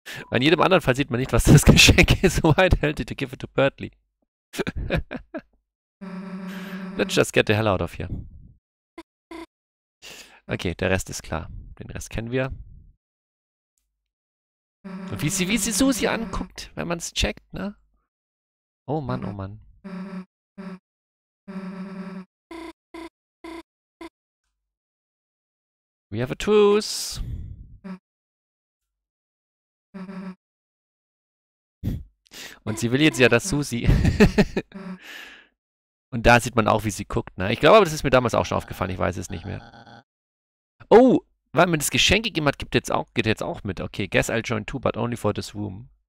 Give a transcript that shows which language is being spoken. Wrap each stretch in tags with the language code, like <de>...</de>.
<de>In jedem anderen Fall sieht man nicht, was das Geschenk ist.</de> <en>Why the hell did you give it to Birdly? Let's just get the hell out of here.</en> <de>Okay, der Rest ist klar. Den Rest kennen wir. Und wie sie Susie anguckt, wenn man es checkt, ne? Oh Mann, oh Mann.</de> <en>We have a truce.</en> <de>Und sie will jetzt ja, dass Susie... Und da sieht man auch, wie sie guckt, ne? Ich glaube aber, das ist mir damals auch schon aufgefallen. Ich weiß es nicht mehr. Oh, weil man das Geschenk gegeben hat, geht jetzt auch mit.</de> <en>Okay, guess I'll join too, but only for this room.</en>